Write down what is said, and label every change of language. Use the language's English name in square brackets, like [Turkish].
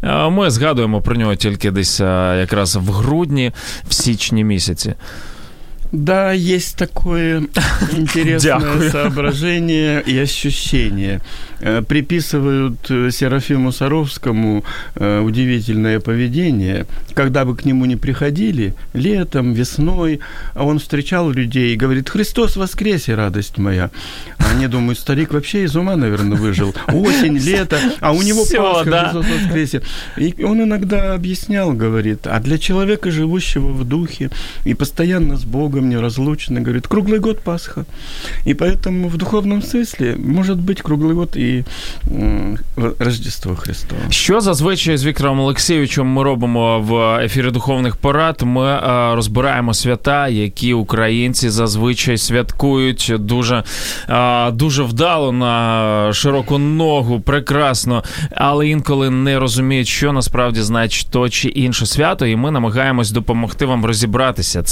[Ukrainian] Ми згадуємо про нього тільки десь якраз в грудні, в січні місяці. [Russian] Да, есть такое интересное соображение и ощущение. Приписывают Серафиму Саровскому удивительное поведение. Когда бы к нему ни приходили, летом, весной, он встречал людей и говорит: «Христос воскресе, радость моя!» Они думают, старик вообще из ума, наверное, выжил. Осень, лето, а у него Всё, Пасха, да? Христос воскресе. И он иногда объяснял, говорит, а для человека, живущего в духе и постоянно с Богом, неразлучный, говорит, круглый год Пасха. И поэтому в духовном смысле может быть круглый год и Рождество Христово. [Ukrainian] Що зазвичай з Віктором Олексійовичем ми робимо в ефірі духовних порад? Ми розбираємо свята, які українці зазвичай святкують дуже, дуже вдало, на широку ногу, прекрасно, але інколи не розуміють, що насправді значить то чи інше свято, і ми намагаємось допомогти вам розібратися.